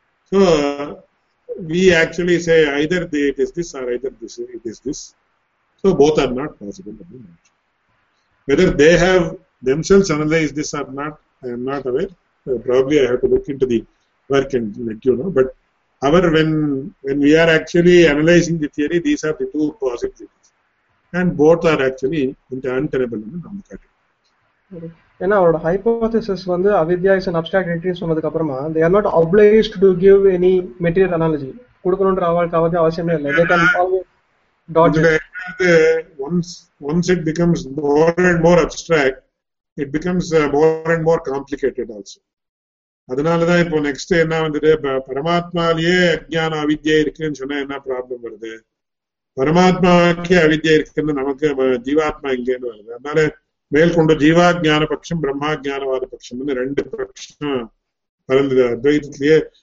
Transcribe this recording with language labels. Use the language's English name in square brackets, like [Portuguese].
[English] so we actually say either the it is this or either this it is this, so both are not possible [Tamil] அப்படின்னு நினைச்சோம். [English] Whether they have themselves analyse this or not I am not aware, probably I have to look into the work and let you know. But However, when we are actually analyzing the theory, these are the two possibilities. And both are actually untenable in our category. And our hypothesis is that avidya is an abstract entity in some other way. They are not obliged to give any material analogy. They can always dodge it. Once it becomes more and more abstract, it becomes more and more complicated also. [Tamil] அதனாலதான் இப்போ next என்ன வந்தது, பரமாத்மாலேயே அஜ்ஞான அவித்யா இருக்குன்னு சொன்னா என்ன problem வருது, பரமாத்மாவுக்கே அவித்யா இருக்குன்னு நமக்கு ஜீவாத்மா இங்கேன்னு வருது. அதனால மேற்கொண்டு ஜீவா ஜான பட்சம் பிரம்மா ஜானவாத பட்சம்னு ரெண்டு பட்சம் பறந்தது அத்வைதத்திலேயே.